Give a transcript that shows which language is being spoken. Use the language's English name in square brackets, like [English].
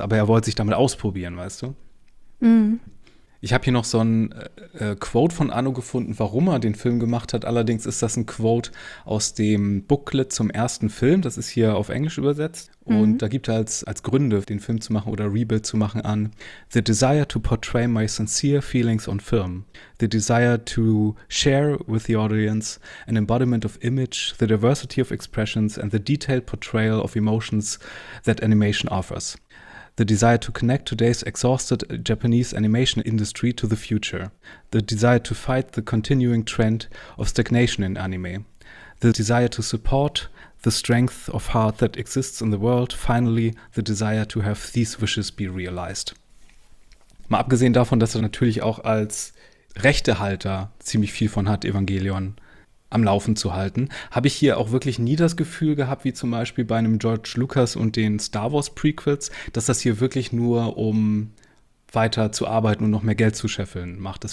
[German] Aber er wollte sich damit ausprobieren, weißt du? Ich habe hier noch so ein Quote von Anno gefunden, warum er den Film gemacht hat. Allerdings ist das ein Quote aus dem Booklet zum ersten Film. Das ist hier auf Englisch übersetzt. Und da gibt er als Gründe, den Film zu machen oder Rebuild zu machen, an: [English] The desire to portray my sincere feelings on film. The desire to share with the audience an embodiment of image, the diversity of expressions and the detailed portrayal of emotions that animation offers. The desire to connect today's exhausted Japanese animation industry to the future. The desire to fight the continuing trend of stagnation in anime. The desire to support the strength of heart that exists in the world. Finally, the desire to have these wishes be realized. [German] Mal abgesehen davon, dass er natürlich auch als Rechtehalter ziemlich viel von hat, Evangelion am Laufen zu halten, habe ich hier auch wirklich nie das Gefühl gehabt, wie zum Beispiel bei einem George Lucas und den Star Wars Prequels, dass das hier wirklich nur um weiter zu arbeiten und noch mehr Geld zu scheffeln macht.